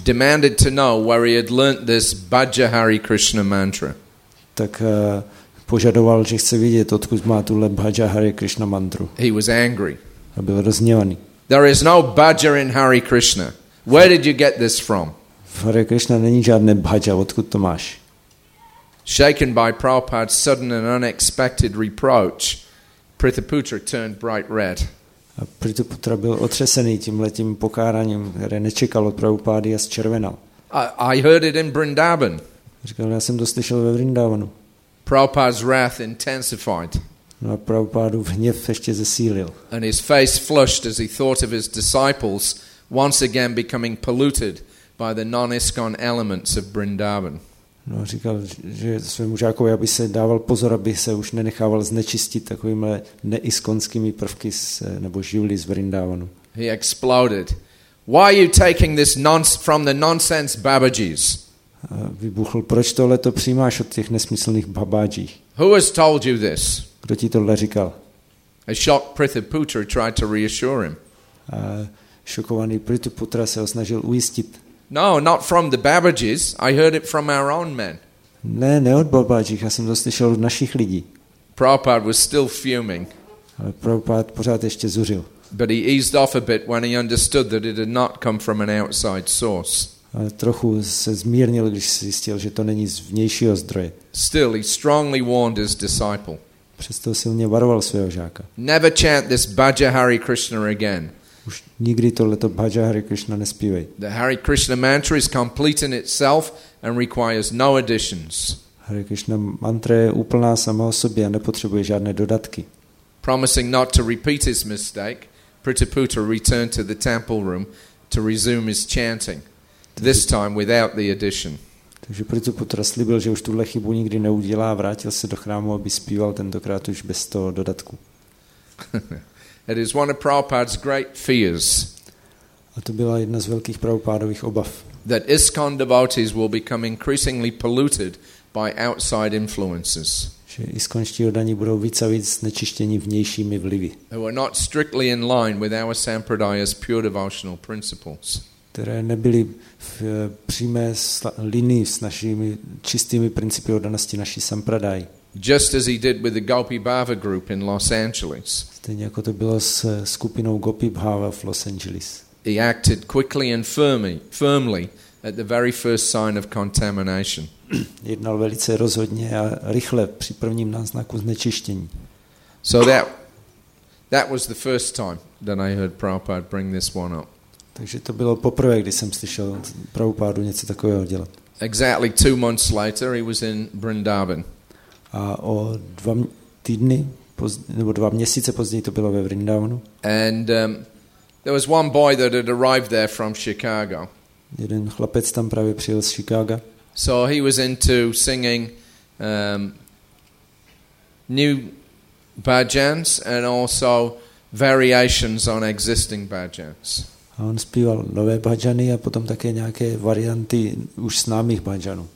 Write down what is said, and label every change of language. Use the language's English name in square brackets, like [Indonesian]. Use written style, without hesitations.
[English] Demanded to know where he had learnt this Bhaja Hare Krishna mantra. [Czech] Tak požadoval, že chce vidět, odkud má tuhle Bhaja Hare Krishna mantru. [English] He was angry. [Czech] A byl rozhněvaný. [English] There is no Bhaja in Hare Krishna. Where did you get this from? [Czech] V Hare Krishna není žádné Bhaja, odkud to máš? [English] Shaken by Prabhupada's sudden and unexpected reproach, Prithiputra turned bright red. [Czech] A Prithiputra byl otřesený tímhletím pokáraním, které nečekal od Prabhupády a zčervenal. [English] I heard it in Vrindavan. [Czech] Říkal, já jsem to slyšel ve Vrindavanu. [English] Prabhupada's wrath intensified. [Czech] No a Prabhupádův hněv ještě zesílil. [English] And his face flushed as he thought of his disciples once again becoming polluted by the non-ISKCON elements of Vrindavan. [Czech] No a říkal, že svému žákovi, aby se dával pozor, aby se už nenechával znečistit takovými neiskonskými prvky nebo živly z Vrindavanu. [English] He exploded. Why are you taking this nonsense from the nonsense Babajis? [Czech] Vybuchl, proč tohle to přijímáš od těch nesmyslných babáží? [English] Who has told you this? [Czech] Kdo ti tohle říkal? [English] A shocked Prithiputra tried to reassure him. [Czech] A šokovaný Prithiputra se ho snažil ujistit. [English] No, not from the Babajis. I heard it from our own men. [Czech] Ne, ne od babáží, já jsem to slyšel od našich lidí. [English] Prabhupada was still fuming. [Czech] Ale Prabhupada pořád ještě zuřil. [English] But he eased off a bit when he understood that it had not come from an outside source. [Czech] Ale trochu se zmírnil, když zjistil, že to není z vnějšího zdroje. [English] Still, he strongly warned his disciple. [Czech] Přesto silně varoval svého žáka. [English] Never chant this Bhaja Hare Krishna again. [Czech] Už nikdy tohleto Bhaja Hare Krishna nespívej. [English] The Hare Krishna mantra is complete in itself and requires no additions. [Czech] Hare Krishna mantra je úplná sama o sobě a nepotřebuje žádné dodatky. [English] Promising not to repeat his mistake, Prithiputra returned to the temple room to resume his chanting. This time without the addition. [Czech] Takže Prithiputra slíbil, že už tuhle chybu nikdy neudělá a vrátil se do chrámu, aby zpíval tentokrát už bez toho dodatku. [English] It is one of Prabhupada's great fears. [Czech] A to byla jedna z velkých Prabhupádových obav. [English] That ISKCON devotees will become increasingly polluted by outside influences. [Czech] Že ISKCONští oddaní budou víc a víc znečištěni vnějšími vlivy. [English] Who are not strictly in line with our Sampradaya's pure devotional principles. [Czech] Které nebyly v přímé linii s našimi čistými principy oddanosti naší sampradaji. [English] Just as he did with the Gopi Bhava group in Los Angeles. [Czech] Stejně jako to bylo s skupinou Gopi Bhava v Los Angeles. [English] He acted quickly and firmly at the very first sign of contamination. [Czech] Jednal velice rozhodně a rychle při prvním náznaku znečištění. [English] So that was the first time that I heard Prabhupada bring this one up. [Czech] Takže to bylo poprvé, kdy jsem slyšel Prabhupádu něco takového dělat. [English] Exactly 2 months later, he was in Vrindavan. [Czech] A o 2 týdny nebo 2 měsíce později to bylo ve Vrindavanu. [English] And there was one boy that had arrived there from Chicago. [Czech] Jeden chlapec tam právě přijel z Chicaga. [English] So he was into singing new bhajans and also variations on existing bhajans. [Czech] A on zpíval nové bhajany a potom také nějaké varianty už známých bhajanů.